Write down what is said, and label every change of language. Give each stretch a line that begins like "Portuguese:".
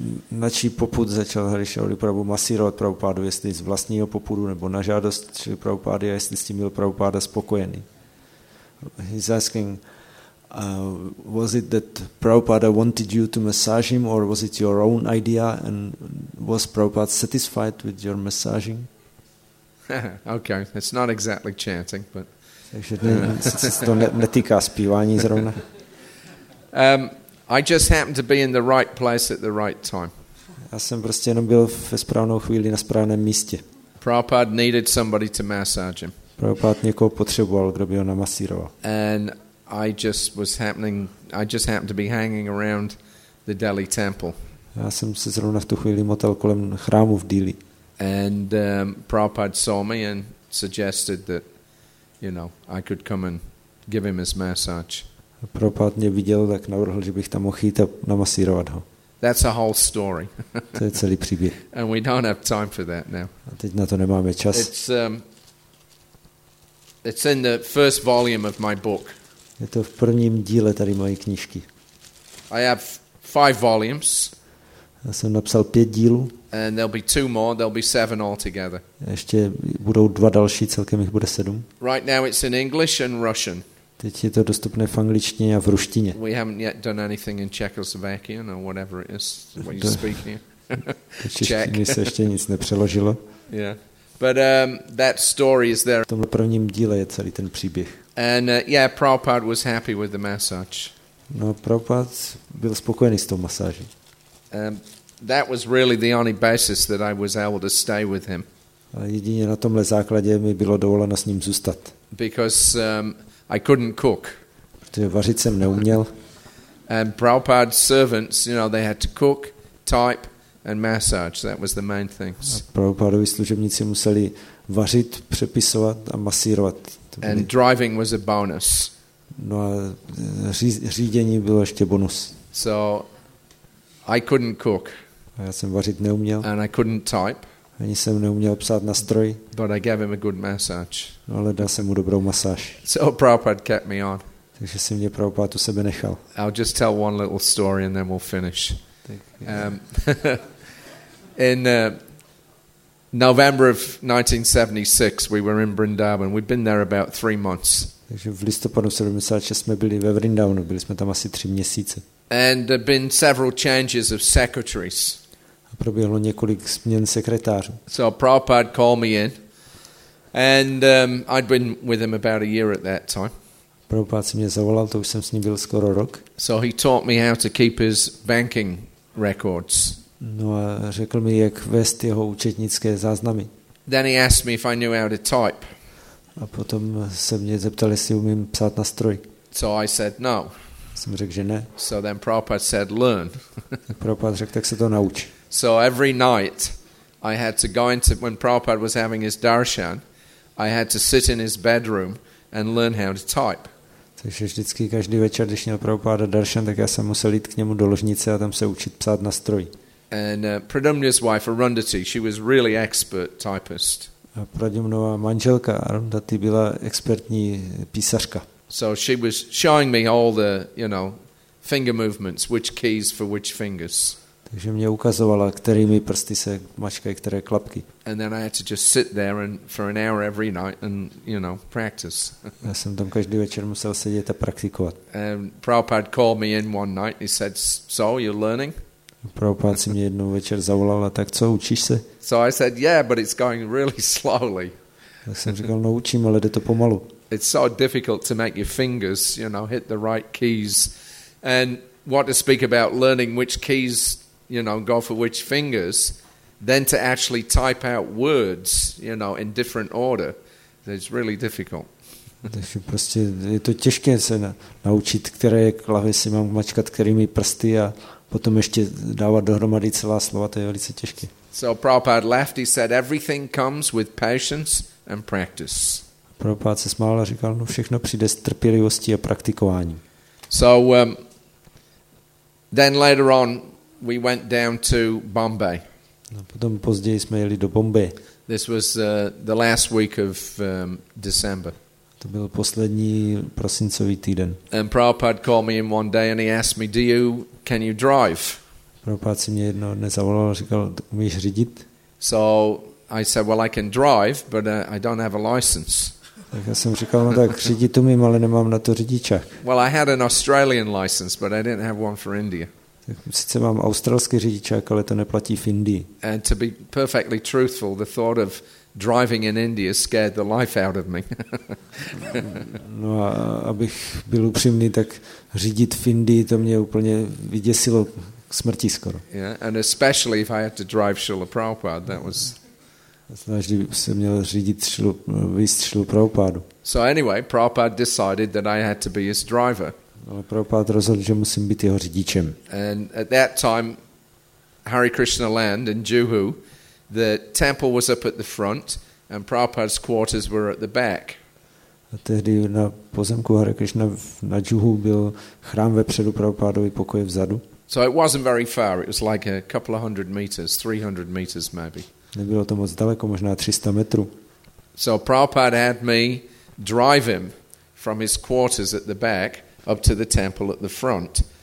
Czech: Na čí popud začal Hari Shauri Prabhu masírovat Prabhupádu, jestli z vlastního popudu nebo na žádost Shri Prabhupády a jestli s tím byl Prabhupáda spokojený.
English: He's asking, was it that Prabhupada wanted you to massage him or was it your own idea and was Prabhupada satisfied with your massaging? Okay, it's not exactly chanting, but...
Czech: Takže to netýká zpívání zrovna.
English: I just happened to be in the right place at the right time.
Czech: Já jsem prostě jenom byl ve správnou chvíli na správném místě.
English: Prabhupada needed somebody to massage him.
Czech: Prabhupada někoho potřeboval, kdo by ho namasíroval.
English: And I just happened to be hanging around the Delhi temple.
Czech: Já jsem se zrovna v tu chvíli motal kolem chrámu v Delhi.
English: And Prabhupada saw me and suggested that, you know, I could come and give him his massage.
Czech: Prabhupád mě viděl, tak navrhl, že bych tam mohl jít a namasírovat ho.
English: That's a whole story.
Czech: To je celý příběh.
English: And we don't have time for that now.
Czech: A teď na to nemáme čas.
English: It's It's in the first volume of my book.
Czech: Je to v prvním díle tady mojí knížky.
English: I have 5 volumes.
Czech: Já jsem napsal 5 dílů.
English: And there'll be 2 more, there'll be 7 altogether.
Czech: Ještě budou 2 další, celkem jich bude 7.
English: Right now it's in English and Russian.
Czech: Teď je to dostupné v angličtině a v ruštině.
English: We haven't yet done anything in Czechoslovakian or whatever it is what you're speaking.
Czech: Češtiny se ještě nic nepřeložilo.
English: Yeah. But that story is there.
Czech: V tom prvním díle je celý ten příběh.
English: And yeah, Prabhupada was happy with the massage.
Czech: No, Prabhupada byl spokojený s tou masáží.
English: That was really the only basis that I was able to stay with him.
Czech: A jedině na tomhle základě mi bylo dovoleno s ním zůstat.
English: Because I couldn't cook.
Czech: Protože vařit jsem neuměl.
English: And Prabhupada's servants, you know, they had to cook, type and massage. That was the main things.
Czech: A Prabhupádovi služebníci museli vařit, přepisovat a masírovat.
English: And driving was a bonus.
Czech: No a řízení bylo ještě bonus.
English: So I couldn't cook.
Czech: A já jsem vařit neuměl.
English: And I couldn't type.
Czech: Ani jsem neuměl psát na stroj.
English: But I gave him a good massage.
Czech: No, ale dal jsem mu dobrou masáž.
English: So Prabhupada kept me on.
Czech: Takže si mě Prabhupada u sebe nechal.
English: I'll just tell one little story and then we'll finish. in November of 1976 we were in Vrindavan. We'd been there about 3 months.
Czech: Takže v listopadu 76 jsme byli ve Vrindavanu, byli jsme tam asi 3 měsíce.
English: And there been several changes of secretaries.
Czech: A proběhlo několik změn sekretářů.
English: So Prabhupada called me in and I'd been with him about a year at that time.
Czech: Prabhupada si mě zavolal, to už jsem s ním byl skoro rok.
English: So he taught me how to keep his banking records.
Czech: No a řekl mi, jak vést jeho účetnické záznamy.
English: Then he asked me if I knew how to type.
Czech: A potom se mě zeptal, jestli umím psát na stroj.
English: So I said no.
Czech: Jsem řekl, že ne.
English: So then Prabhupada said learn.
Czech: Tak Prabhupada řekl, tak se to nauč.
English: So every night I had to go into when Prabhupada was having his darshan, I had to sit in his bedroom and learn how to type.
Czech: Takže vždycky každý večer, když měl Prabhupada darshan, tak já jsem musel jít k němu do ložnice a tam se učit psát na stroj.
English: And Pradyumna's wife Arundhati, she was really expert typist.
Czech: A Pradyumnova manželka Arundhati byla expertní písařka.
English: So she was showing me all the, you know, finger movements, which keys for which fingers.
Czech: Takže mě ukazovala, kterými prsty se mačkají které klapky.
English: And then I had to just sit there and for an hour every night and, you know, practice.
Czech: Já jsem tam každý večer musel sedět a praktikovat.
English: And Prabhupada called me in one night and he said, "So, you're learning?"
Czech: Prabhupada si mě jednou večer zavolal a tak, co, učíš se?
English: So I said, "Yeah, but it's going really slowly."
Czech: Já jsem říkal, no učím, ale jde to pomalu.
English: It's so difficult to make your fingers, you know, hit the right keys. And what to speak about learning which keys, you know, go for which fingers, then to actually type out words, you know, in different order. It's really difficult.
Czech: Takže prostě je to těžké se naučit, které klavesy mám mačkat, kterými prsty a potom ještě dávat dohromady celá slova, to je velice těžké.
English: So Prabhupada left, he said, everything comes with patience and practice.
Czech: Prabhupada se smál a říkal, no všechno přijde s trpělivostí a praktikováním.
English: So then later on we went down to Bombay.
Czech: No, potom později jsme jeli do Bombay.
English: This was the last week of December.
Czech: To byl poslední prosincový týden.
English: And Prabhupada called me in one day and he asked me, can you drive?
Czech: Prabhupada si mě jednoho dne zavolal a říkal, umíš řídit?
English: So I said, well, I can drive, but I don't have a license.
Czech: Tak já jsem říkal, no tak řídit umím, ale nemám na to řidičák.
English: Well, I had an Australian license, but I didn't have one for India.
Czech: Tak sice mám australský řidičák, ale to neplatí v Indii.
English: And to be perfectly truthful, the thought of driving in India scared the life out of me.
Czech: No a abych byl upřímný, tak řídit v Indii, to mě úplně vyděsilo k smrti skoro.
English: Yeah, and especially if I had to drive Srila Prabhupada, that was...
Czech: Snažně bych se měl řídit výst Srila Prabhupádu.
English: So anyway, Prabhupada decided that I had to be his driver.
Czech: Ale Prabhupada rozhodl, že musím být jeho řidičem.
English: And at that time, Hare Krishna Land in Juhu, the temple was up at the front and Prabhupada's quarters were at the back.
Czech: A tehdy na pozemku Hare Krishna na Juhu byl chrám vepředu, Prabhupádovi pokoje vzadu.
English: So it wasn't very far, it was like a couple of hundred meters, 300 meters maybe.
Czech: Nebylo to moc daleko, možná 300 metrů.
English: So Prabhupada had me drive him from his quarters at the back up to the temple at the front.